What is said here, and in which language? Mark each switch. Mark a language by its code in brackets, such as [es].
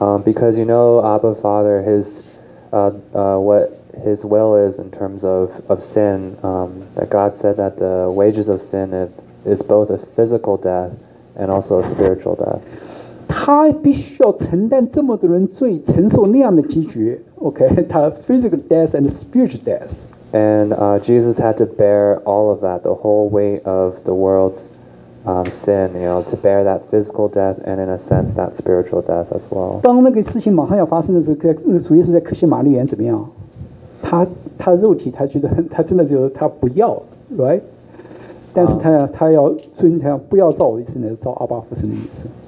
[en] Because you know, Abba Father, what his will is in terms of sin, that God said that the wages of sin is both a physical death and also a spiritual death. [zh] 他必须要承担这么多人罪，承受那样的结局。 [en] Okay, 他 physical death and spiritual death. And Jesus had to bear all of that, the whole weight of the world's. Sin, you know, to bear that physical death and in a sense that spiritual death as well. [zh] 当那个事情马上要发生的时候，主耶稣在克西马利园怎么样？他肉体他觉得他真的就是他不要 ，right？但是他要遵他不要照我意思，乃是照阿爸父神的意思。